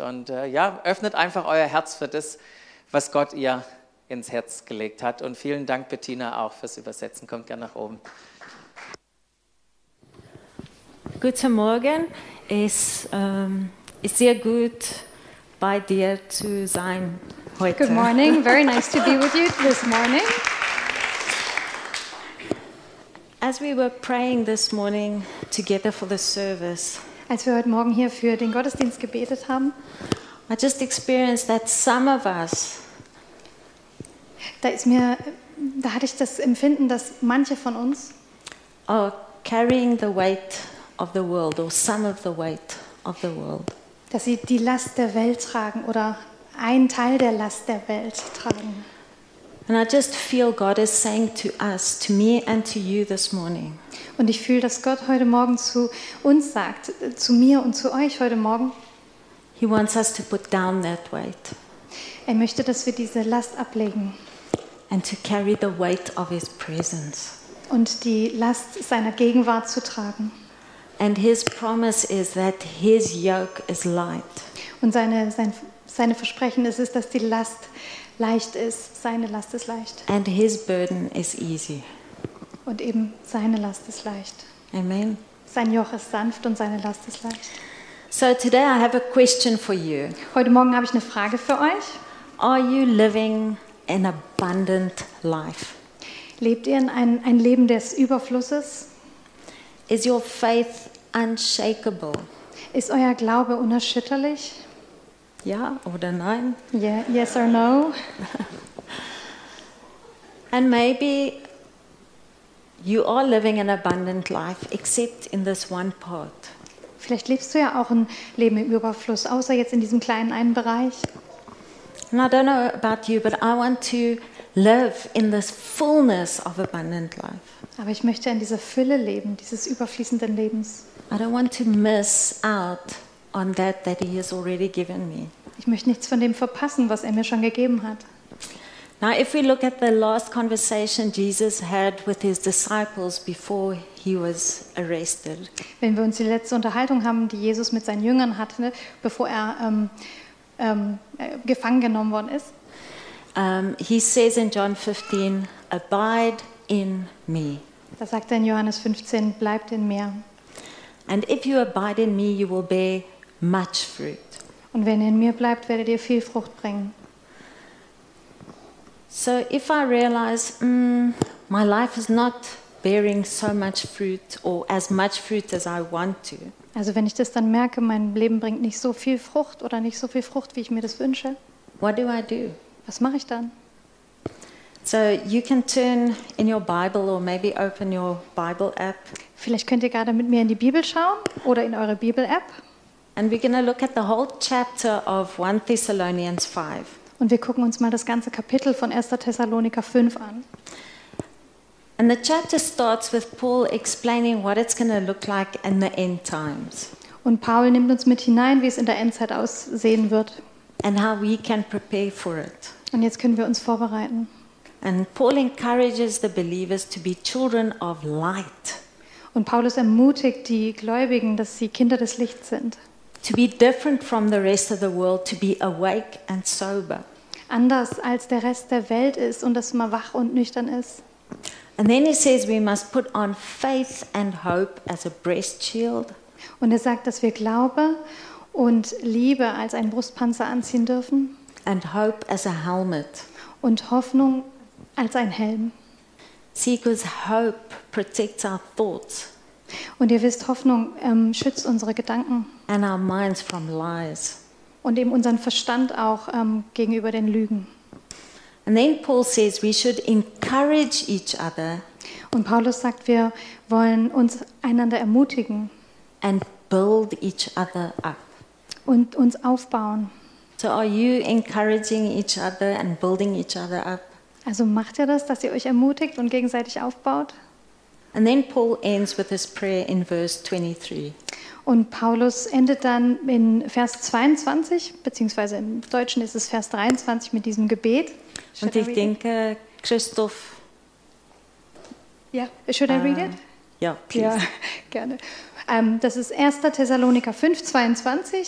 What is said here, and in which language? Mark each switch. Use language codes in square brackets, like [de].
[de] Und öffnet einfach euer Herz für das, was Gott ihr ins Herz gelegt hat. Und vielen Dank, Bettina, auch fürs Übersetzen. Kommt gerne nach oben. Guten Morgen. Es ist sehr gut, bei dir zu sein. Heute. [en] Good morning. Very nice to be with you this morning. As we were praying this morning together for the service, [de] als wir heute Morgen hier für den Gottesdienst gebetet haben, [en] I just experienced that some of us, [de] da hatte ich das Empfinden, dass manche von uns [en] are carrying the weight of the world or some of the weight of the world, [de] dass sie die Last der Welt tragen oder ein Teil der Last der Welt tragen. [en] And I just feel God is saying to us, to me and to you this morning. [de] Und ich fühle, dass Gott heute Morgen zu uns sagt, zu mir und zu euch heute Morgen. [en] He wants us to put down that weight. [de] Er möchte, dass wir diese Last ablegen. [en] And to carry the weight of his presence. [de] Und die Last seiner Gegenwart zu tragen. [en] And his promise is that his yoke is light. [de] Und seine Versprechen ist es, dass die Last leicht ist. Seine Last ist leicht. [en] And his burden is easy. [de] Und eben seine Last ist leicht. Amen. Sein Joch ist sanft und seine Last ist leicht. [en] So today I have a question for you. [de] Heute Morgen habe ich eine Frage für euch. [en] Are you living an abundant life? [de] Lebt ihr in ein Leben des Überflusses? [en] Is your faith unshakable? [de] Ist euer Glaube unerschütterlich? Ja oder nein? [en] Yeah, yes or no? And maybe you are living an abundant life, except in this one part. [de] Vielleicht lebst du ja auch ein Leben im Überfluss, außer jetzt in diesem kleinen einen Bereich. [en] And I don't know about you, but I want to live in this fullness of abundant life. [de] Aber ich möchte in dieser Fülle leben, dieses überfließenden Lebens. [en] I don't want to miss out on that he has already given me. [de] Ich möchte nichts von dem verpassen, was er mir schon gegeben hat. [en] Now if we look at the last conversation Jesus had with his disciples before he was arrested. [de] Wenn wir uns die letzte Unterhaltung haben, die Jesus mit seinen Jüngern hatte, bevor er gefangen genommen worden ist. [en] He says in John 15, abide in me. [de] Da sagt er in Johannes 15, bleibt in mir. [en] And if you abide in me, you will bear much fruit. [de] Und wenn ihr in mir bleibt, werdet ihr viel Frucht bringen. [en] So if I realize my life is not bearing so much fruit or as much fruit as I want to. [de] Also wenn ich das dann merke, mein Leben bringt nicht so viel Frucht oder nicht so viel Frucht, wie ich mir das wünsche. [en] What do I do? [de] Was mache ich dann? [en] So you can turn in your Bible or maybe open your Bible app. [de] Vielleicht könnt ihr gerade mit mir in die Bibel schauen oder in eure Bibel App. [en] And we're going to look at the whole chapter of 1 Thessalonians 5. [de] Und wir gucken uns mal das ganze Kapitel von 1. Thessaloniker 5 an. [en] And the chapter starts with Paul explaining what it's going to look like in the end times. [de] Und Paul nimmt uns mit hinein, wie es in der Endzeit aussehen wird. [en] And how we can prepare for it. [de] Und jetzt können wir uns vorbereiten. [en] And Paul encourages the believers to be children of light. [de] Und Paulus ermutigt die Gläubigen, dass sie Kinder des Lichts sind. [en] To be different from the rest of the world, to be awake and sober. [de] Anders als der Rest der Welt ist und dass man wach und nüchtern ist. [en] And then he says we must put on faith and hope as a breast shield. [de] Und er sagt, dass wir Glaube und Liebe als einen Brustpanzer anziehen dürfen. [en] And hope as a helmet. [de] Und Hoffnung als ein Helm. [en] See, because hope protects our thoughts. [de] Und ihr wisst, Hoffnung schützt unsere Gedanken. [en] And our minds from lies. [de] Und eben unseren Verstand auch gegenüber den Lügen. [en] And then Paul says we should encourage each other. [de] Und Paulus sagt, wir wollen uns einander ermutigen. [en] And build each other up. [de] Und uns aufbauen. [en] So are you encouraging each other and building each other up? [de] Also macht ihr das, dass ihr euch ermutigt und gegenseitig aufbaut? [en] And then Paul ends with his prayer in verse 23. [de] Und Paulus endet dann in Vers 22, beziehungsweise im Deutschen ist es Vers 23 mit diesem Gebet. [en] Should [de] und ich denke, Christoph. Ja, [en] yeah. Should I read it? [de] Ja, [en] please. [de] Ja, gerne. Das ist 1. Thessaloniker 5, 22.